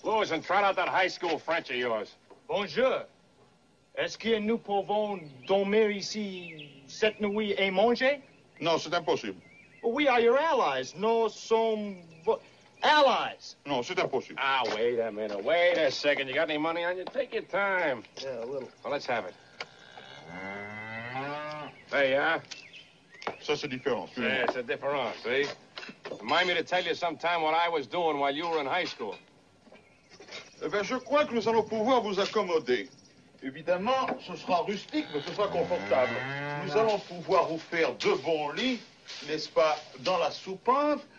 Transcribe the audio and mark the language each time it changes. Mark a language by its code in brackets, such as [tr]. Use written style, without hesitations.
[en] And trot out that high school French of yours. [fr] Bonjour. Est-ce que nous pouvons dormir ici cette nuit et manger? Non, c'est impossible. [en] We are your allies. [fr] Nous sommes allies. Non, c'est impossible. [en] Ah, wait a minute. Wait a second. You got any money on you? Take your time. Yeah, a little. Well, let's have it. There you are. [fr] Ça, c'est différent. [en] Yeah, it's a difference, see? Remind me to tell you sometime what I was doing while you were in high school. [fr] Eh bien, je crois que nous allons pouvoir vous accommoder. Évidemment, ce sera rustique, mais ce sera confortable. Nous allons pouvoir vous faire de bons lits, n'est-ce pas, dans la soupente.